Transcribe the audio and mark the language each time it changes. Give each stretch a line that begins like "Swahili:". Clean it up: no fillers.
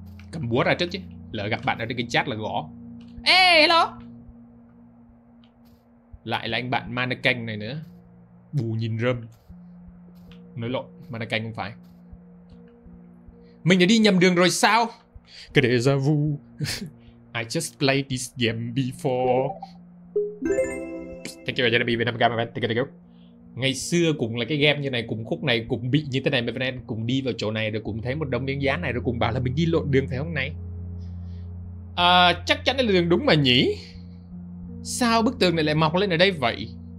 Vietnamese: Cầm búa ra trước chứ. Lỡ gặp bạn ở trên cái chat là gõ.
English: Ê, hello.
Vietnamese: Lại là anh bạn mannequin này nữa. Bù nhìn rơm. Nói lộn, mannequin không phải. Mình đã đi nhầm đường rồi sao? Cái đề ra vu.
English: I just played this game before. Thank you, Jeremy, Vietnam Gamma Man.
Vietnamese: Ngày xưa cũng là cái game như này, cũng khúc này, cũng bị như thế này, Vietnam, cũng đi vào chỗ này, rồi cũng thấy một đống miếng dán này, rồi cũng bảo là mình đi lộn đường phải không này? À, chắc chắn là đường đúng mà nhỉ? Sao bức tường này lại mọc lên ở đây vậy?